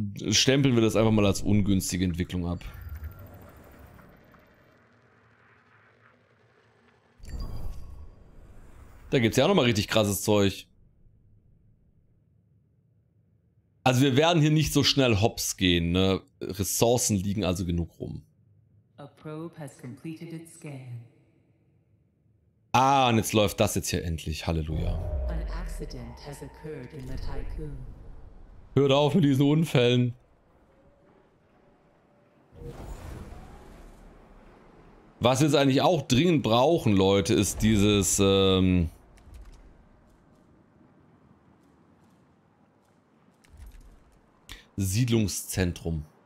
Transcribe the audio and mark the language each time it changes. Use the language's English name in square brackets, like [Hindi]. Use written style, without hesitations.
[German] Stempeln wir das einfach mal als ungünstige Entwicklung ab. Da gibt es ja auch nochmal richtig krasses Zeug. Also wir werden hier nicht so schnell hops gehen, ne? Ressourcen liegen also genug rum. [English] A probe has completed its scan. [German] Ah, und jetzt läuft das jetzt hier endlich. Halleluja. [English] An accident has occurred in the Tycoon. [German] Hört auf mit diesen Unfällen. Was wir jetzt eigentlich auch dringend brauchen, Leute, ist dieses, Siedlungszentrum.